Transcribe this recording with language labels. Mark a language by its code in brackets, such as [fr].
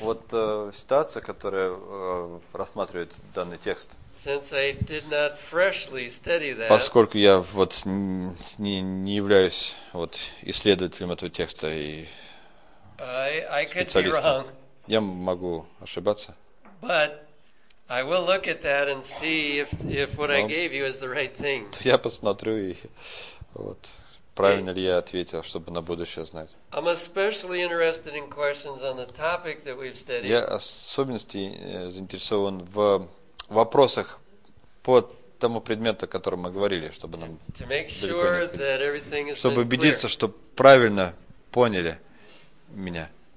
[ru] вот ситуация, которая рассматривает данный текст. [en] Since I did not freshly study that, [ru] поскольку я вот не являюсь вот исследователем этого текста и специалистом, я могу ошибаться. [en] But I will look at that and see if what I gave you is the right thing. [ru] Я посмотрю и вот. Правильно ли я ответил, чтобы на будущее знать? [en] I'm especially interested in questions on the topic that we've studied. [ru] Я особенно заинтересован в вопросах по тому предмету, о котором мы говорили, чтобы нам [en] to make sure that everything is [ru] чтобы убедиться, clear. Что правильно поняли меня.